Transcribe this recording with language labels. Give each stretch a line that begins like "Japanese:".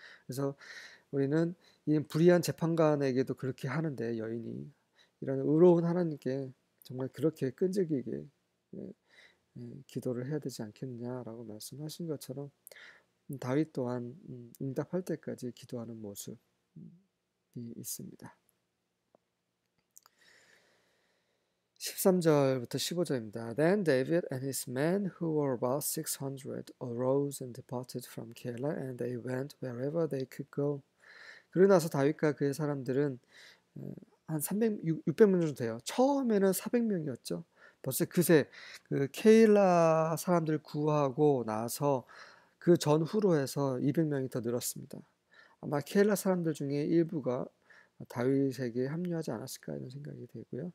Korean: 그래서 우리는 이 불의한 재판관에게도 그렇게 하는데 여인이 이런 의로운 하나님께 정말 그렇게 끈질기게 기도를 해야 되지 않겠느냐라고 말씀하신 것처럼 다윗 또한 응답할 때까지 기도하는 모습이 있습니다. 13절부터 15절입니다.
English: Then David and his men, who were about 600, arose and departed from Keilah, and they went wherever they could go.
Korean: 그러고 나서 다윗과 그의 사람들은 한 600명 정도 돼요. 처음에는 400명이었죠. 벌써 그새 그 케일라 사람들 구하고 나서 그 전후로 해서 200명이 더 늘었습니다. 아마 케일라 사람들 중에 일부가 다윗에게 합류하지 않았을까 이런 생각이 되고요.